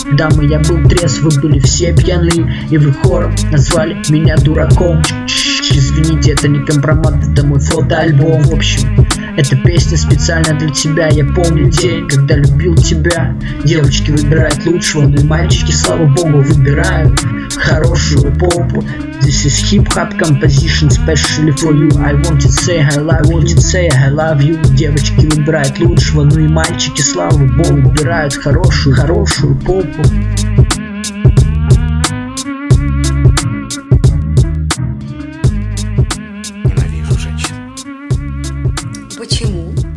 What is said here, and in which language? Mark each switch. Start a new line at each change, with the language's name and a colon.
Russian: Дамы, я был трезв, вы были все пьяны. И вы хором назвали меня дураком. Извините, это не компромат, это мой фотоальбом. В общем, эта песня специально для тебя. Я помню день, когда любил тебя. Девочки выбирают лучшего, но и мальчики, слава богу, выбирают хорошую попу.
English: This is hip-hop composition, specially for you. I want to say I love you. I want to say I love you.
Russian: Девочки выбирают лучшего, но и мальчики, слава богу, выбирают хорошую попу. Почему?